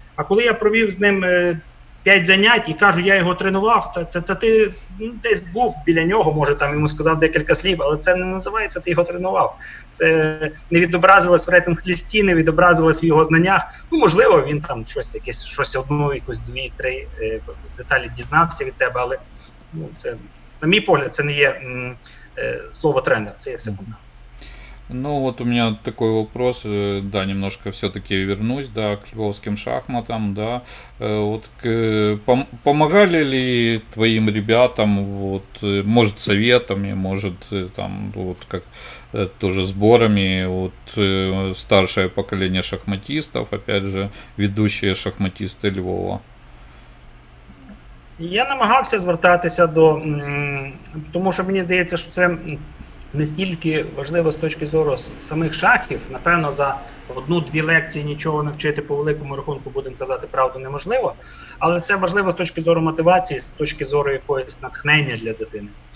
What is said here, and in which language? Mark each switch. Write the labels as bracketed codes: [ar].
[uk] А коли я провів з ним 5 занять і кажу, я його тренував, та ти, ну, десь був біля нього, може там йому сказав декілька слів, але це не називається, ти його тренував. Це не відобразилось в рейтинг-лісті, не відобразилось в його знаннях. Ну, можливо, він там щось одну, якусь дві-три деталі дізнався від тебе, але, ну, це, на мій погляд, це не є слово тренер, це є секунда. [ru] Ну вот у меня такой вопрос, да, немножко все-таки вернусь, да, к львовским шахматам, да, вот помогали ли твоим ребятам, вот, может, советами, может, там, вот, как тоже сборами, вот, старшее поколение шахматистов, опять же, ведущие шахматисты Львова? [uk] Я намагався звертатися до, тому що мені здається, що це не стільки важливо з точки зору самих шахів, напевно, за одну-дві лекції нічого навчити по великому рахунку, будемо казати правду, неможливо, але це важливо з точки зору мотивації, з точки зору якогось натхнення для дитини.